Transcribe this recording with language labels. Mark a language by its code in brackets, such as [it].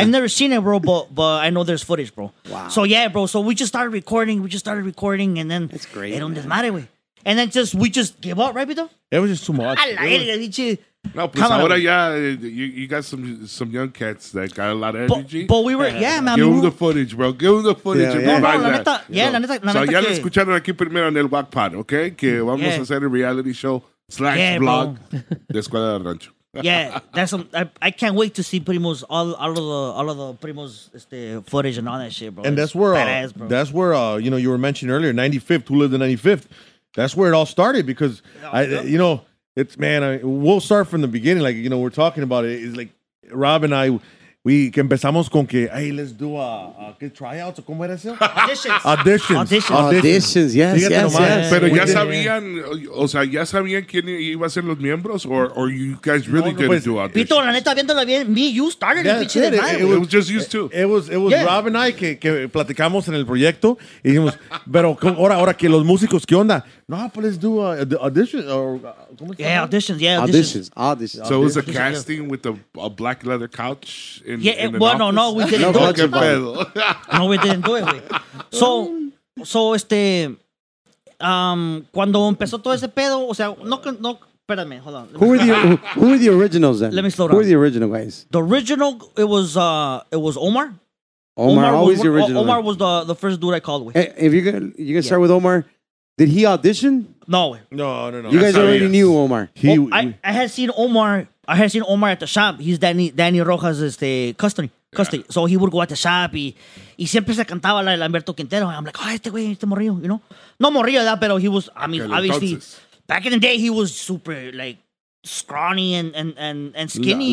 [en] I've never seen it, bro, but I know there's footage, bro. Wow. So yeah, bro. So we just started recording, and then that's great. [es] Era un desmadre, güey. [en] And then we just gave up, right, Vito? It was just too much. [es] No, pues come ahora on. [en] Ya, you got some young cats that got a lot of energy. But we were, yeah, man. Give them the footage, bro. Yeah, yeah. La neta, [es] ya lo escucharon aquí primero en el Wack Pod, okay? Que vamos a hacer a reality show /blog de Escuela de Rancho. [en] Yeah, that's I can't wait to see Primo's all of the Primo's footage and all that shit, bro. And that's where, badass, bro. That's where, you know, you were mentioning earlier, 95th, who lived in 95th? That's where it all started because, it's, man, we'll start from the beginning. Like, you know, we're talking about it. It's like Rob and I, we empezamos con que, hey, let's do a tryouts. ¿Cómo era eso? Auditions. Yes. [es] Pero ya sabían, o sea, ya sabían quién iba a ser los miembros, or you guys really didn't do auditions. Pito, la neta, viéndola bien, me, you started [en] it. It was just used to. It was yeah. Rob and I que platicamos en el proyecto. [es] Y dijimos, pero ahora que los músicos, ¿qué onda? [en] No, but let's do auditions. Auditions. So it was a casting with a black leather couch? No, we didn't do it. [es] So cuando empezó todo ese pedo, o sea, no, espérame, hold on. [en] Who were the originals then? Let me slow down. Who were the original guys? The original, it was Omar. Omar was the first dude I called with. Hey, if you can start with Omar. Did he audition? No. You guys already knew Omar. I had seen Omar at the shop. He's Danny Rojas, custody. Yeah. So he would go at the shop. [es] Y siempre se cantaba la de Lamberto Quintero. [en] I'm like, oh, este morrillo, you know? No morrillo, that, pero he was, I mean, obviously, back in the day, he was super, like, scrawny and skinny.